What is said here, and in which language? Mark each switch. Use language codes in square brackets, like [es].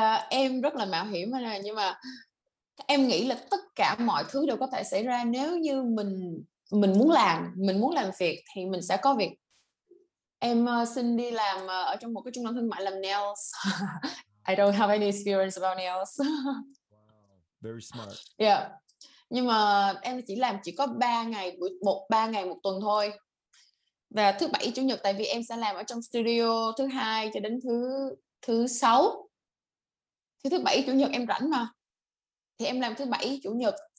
[vi] Em rất là mạo hiểm anh à. Nhưng mà em nghĩ là tất cả mọi thứ đều có thể xảy ra nếu như mình mình muốn làm việc thì mình sẽ có việc. Em xin đi làm ở trong một cái trung tâm thương mại làm nails. [en] I don't have any experience about nails. Wow, very smart. Yeah. [vi] Nhưng mà em chỉ làm chỉ có 3 ngày một 3 ngày một tuần thôi. Và thứ bảy chủ nhật, tại vì em sẽ làm ở trong studio thứ hai cho đến thứ sáu. Thứ bảy chủ nhật em rảnh mà. Thì em làm thứ bảy chủ nhật.